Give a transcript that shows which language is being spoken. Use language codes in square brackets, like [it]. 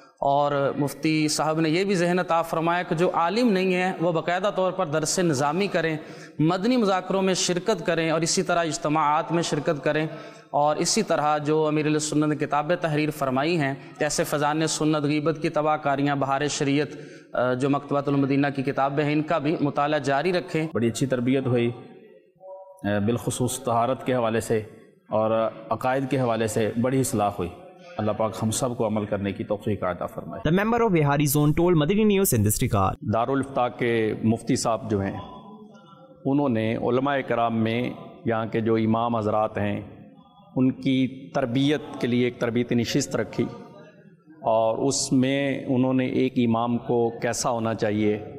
[ur] اور مفتی صاحب نے یہ بھی ذہن عطا فرمایا کہ جو عالم نہیں ہے وہ باقاعدہ طور پر درس نظامی کریں، مدنی مذاکروں میں شرکت کریں، اور اسی طرح اجتماعات میں شرکت کریں، اور اسی طرح جو امیر السنت نے کتاب تحریر فرمائی ہیں جیسے فضان سنت، غیبت کی تباہ کاریاں، بہار شریعت جو مکتبۃ المدینہ کی کتابیں ہیں، ان کا بھی مطالعہ جاری رکھیں۔ بڑی اچھی تربیت ہوئی، بالخصوص طہارت کے حوالے سے اور عقائد کے حوالے سے بڑی اصلاح ہوئی۔ اللہ پاک ہم سب کو عمل کرنے کی توفیق عطا فرمائے۔ [en] The member of Bihari Zone told Madani News in this regard. [ur] دار الافتاء کے مفتی صاحب جو ہیں انہوں نے علماء کرام میں یہاں کے جو امام حضرات ہیں ان کی تربیت کے لیے ایک تربیتی نشست رکھی، اور اس میں انہوں نے ایک امام کو کیسا ہونا چاہیے